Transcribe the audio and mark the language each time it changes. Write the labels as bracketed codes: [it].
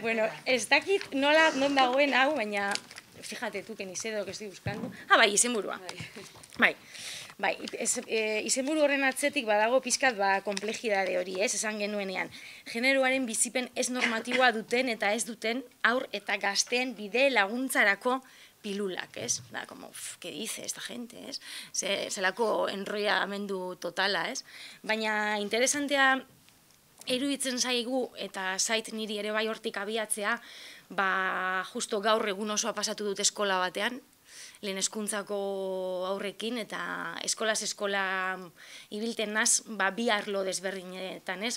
[eu] Bueno, ez dakit nola non dagoen hau, baina [es] fíjate tu que ni sé lo que estoy buscando. [eu] Ah, bai, izenburua. Bai. Bai, izenburu horren atzetik badago pizkat ba konplejitate hori, ez? Esan genuenean, generoaren bizipen ez normatiboa duten eta ez duten aur eta gazteen bide laguntzarako pilulak, ez? [es] Da como, ¿qué dice esta gente, es? [eu] Zelako enrollamendu totala, ez? Baina interesantea iruditzen zaigu eta zait niri ere bai hortik abiatzea, ba justo gaur egun osoa pasatu dut eskola batean, lehen hezkuntzako aurrekin eta eskolaz eskola ibilten naz, ba bi arlo desberdinetan, ez?